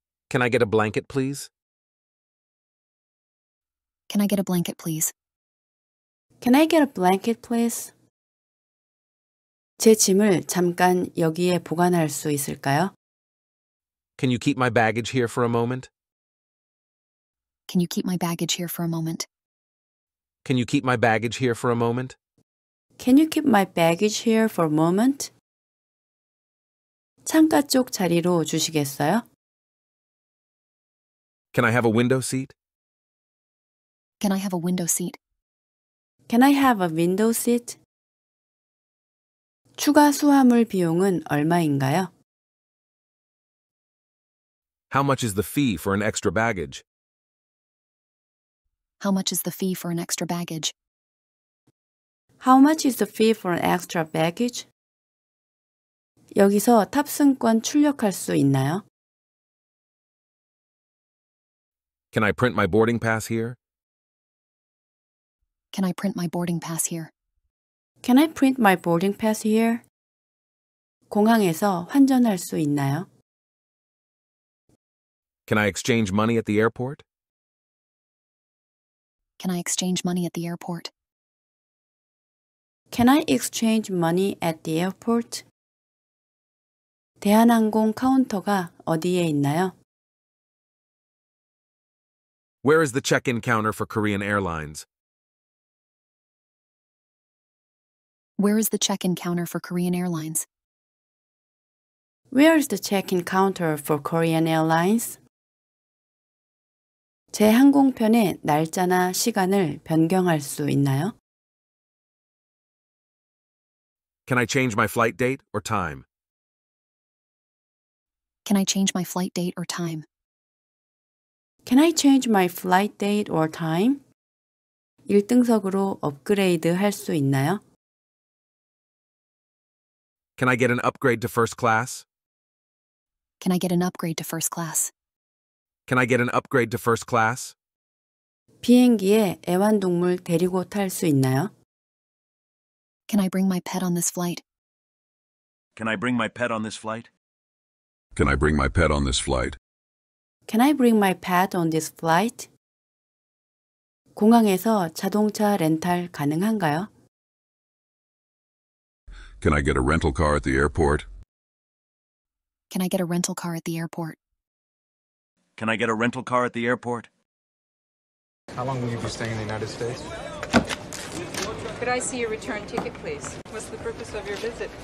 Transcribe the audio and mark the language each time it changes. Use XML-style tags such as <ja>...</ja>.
<en>Can I get a blanket, please? Can I get a blanket, please? Can I get a blanket, please?</en> <ko>제 짐을 잠깐 여기에 보관할 수 있을까요?</ko> <en>Can you keep my baggage here for a moment? Can you keep my baggage here for a moment? Can you keep my baggage here for a moment? Can you keep my baggage here for a moment?</en> <ko>창가 쪽 자리로 주시겠어요?</ko> <en>Can I have a window seat? Can I have a window seat? Can I have a window seat?</en> <ko>추가 수화물 비용은 얼마인가요?</ko> <en>How much is the fee for an extra baggage? How much is the fee for an extra baggage? How much is the fee for an extra baggage?</en> <ko>여기서 탑승권 출력할 수 있나요?</ko> <en>Can I print my boarding pass here? Can I print my boarding pass here? Can I print my boarding pass here?</en> <ko>공항에서 환전할 수 있나요?</ko> <en>Can I exchange money at the airport? Can I exchange money at the airport? Can I exchange money at the airport?</en> <ko>대한항공 카운터가 어디에 있나요?</ko> <en>Where is the check-in counter for Korean Airlines? Where is the check-in counter for Korean Airlines? Where is the check-in counter for Korean Airlines?</en> <ko>제 항공편의 날짜나 시간을 변경할 수 있나요?</ko> <en>Can I change my flight date or time? Can I change my flight date or time? Can I change my flight date or time?</en> <ko>1등석으로 업그레이드 할 수 있나요?</ko> <en>Can I get an upgrade to first class? Can I get an upgrade to first class? Can I get an upgrade to first class?</en> <ko>비행기에 애완동물 데리고 탈 수 있나요?</ko> <en>Can I bring my pet on this flight? Can I bring my pet on this flight? Can I bring my pet on this flight? Can I bring my pet on this flight?</en> <ko>공항에서 자동차 렌탈 가능한가요?</ko> <en>Can I get a rental car at the airport? Can I get a rental car at the airport? Can I get a rental car at the airport? How long will you be staying in the United States? Could I see your return ticket, please? What's the purpose of your visit?</en>